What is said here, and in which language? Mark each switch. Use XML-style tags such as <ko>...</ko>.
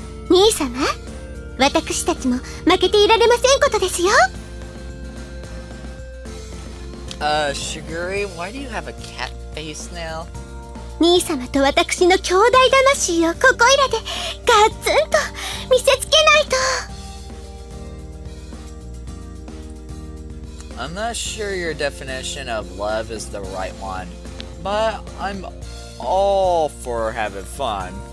<ja>兄様、私たちも負けていられませんことですよ。</ja> <en>Shiguri, why do you have a cat face now?</en> <ja>兄様と私の兄弟魂をここいらでガツンと見せつけないと。</ja> <en>I'm not sure your definition of love is the right one, but I'm all for having fun.</en>